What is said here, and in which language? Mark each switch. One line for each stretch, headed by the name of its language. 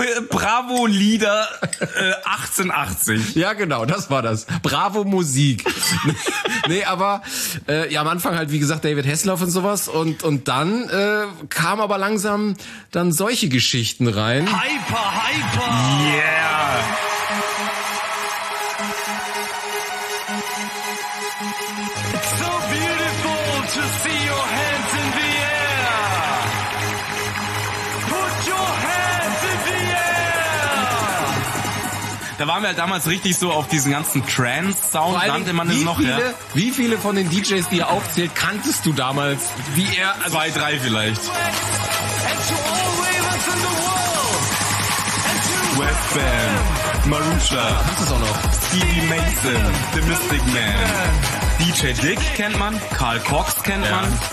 German: Bravo Lieder 1880. Ja, genau, das war das. Bravo Musik. Nee, aber ja, am Anfang halt, wie gesagt, David Hasselhoff und sowas. Und dann kam aber langsam dann solche Geschichten rein.
English: Hyper! Yeah! It's so beautiful to see your hands in the air! Put your hands in the air!
German: Da waren wir halt damals richtig so auf diesen ganzen Trance-Sound, nannte man es noch. Viele, ja. Wie viele von den DJs, die er aufzählt, kanntest du damals? Wie er? Also zwei, drei vielleicht. Westbam, Marusha, Stevie Mason, The Mystic Man, DJ Dick kennt man, Karl Cox kennt man,